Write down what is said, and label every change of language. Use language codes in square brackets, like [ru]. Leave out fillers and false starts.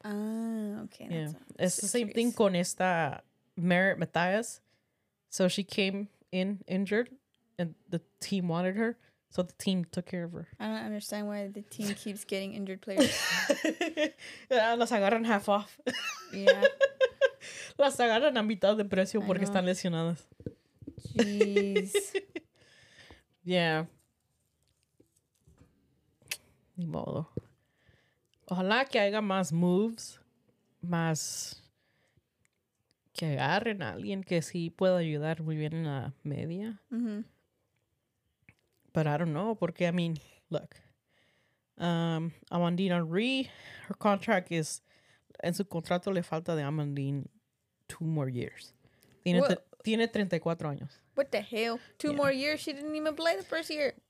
[en] Ah, okay. Yeah. That's it's the same thing [es] con esta [en] Merritt Mathias. So she came in injured and the team wanted her. So the team took care of her. I don't understand why the team keeps getting injured players. [es] Las agarran [en] half off. Yeah. [es] Las agarran a mitad de precio porque están lesionadas. [en] Jeez. Yeah. [es] Ni modo. Ojalá que haya más moves. Más... Que agarren a alguien que sí pueda ayudar muy bien en la media. Mm-hmm. [en] But I don't know, [es] porque, [en] I mean, look. Amandine Henry, her contract is... [es] En su contrato le falta de Amandine [en] 2 more years. [es] Tiene 34 años. [en] What the hell? Two more years? She didn't even play the first year.